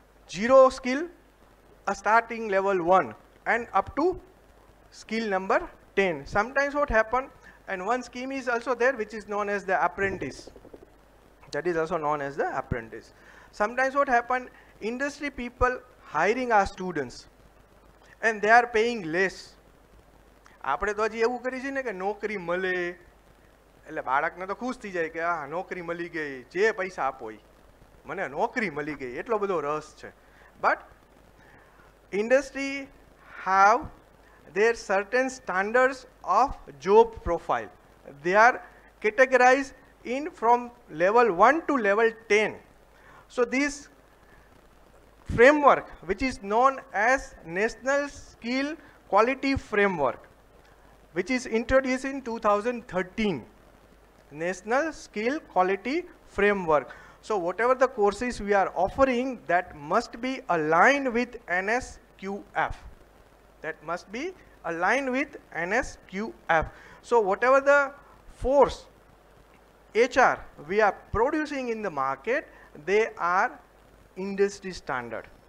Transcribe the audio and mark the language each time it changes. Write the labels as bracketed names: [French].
[English] Zero skill, a starting level 1, and up to skill number 10. Sometimes what happen, and one scheme is also there which is known as the apprentice. That is also known as the apprentice. Sometimes what happen, industry people hiring our students and they are paying less. [Gujarati] આપણે તો હજી એવું કરી છે ને કે નોકરી મળે એટલે બાળકને તો ખુશ થઈ જાય કે હા નોકરી મળી ગઈ, જે પૈસા આપો એ મને નોકરી મળી ગઈ, એટલો બધો રસ છે. [English] But industry have their certain standards of job profile, they are categorize in from level 1 to level 10. So this framework which is known as national skill quality framework, which is introduced in 2013, National Skill Quality Framework. So whatever the courses we are offering, that must be aligned with NSQF. That must be aligned with NSQF. So whatever the force HR we are producing in the market, they are industry standard.